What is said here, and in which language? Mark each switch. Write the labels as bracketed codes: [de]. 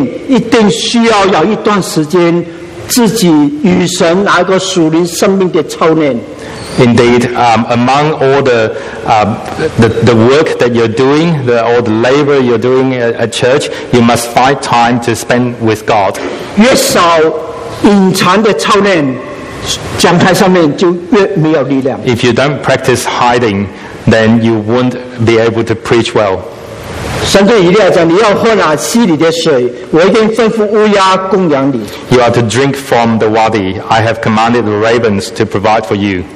[zh] 实在忙碌的教会工作的里面，一定需要有一段时间。 [en] Indeed, among all the work that you're doing, all the labor you're doing at church, you must find time to spend with God. [zh] 越少隐藏的操练，讲台上面就越没有力量。 [en] If you don't practice hiding, then you won't be able to preach well. [zh] 神对以利亚讲：“你要喝哪溪里的水？我已经吩咐乌鸦供养你。” [en] You are to drink from the wadi. I have commanded the ravens to provide for you.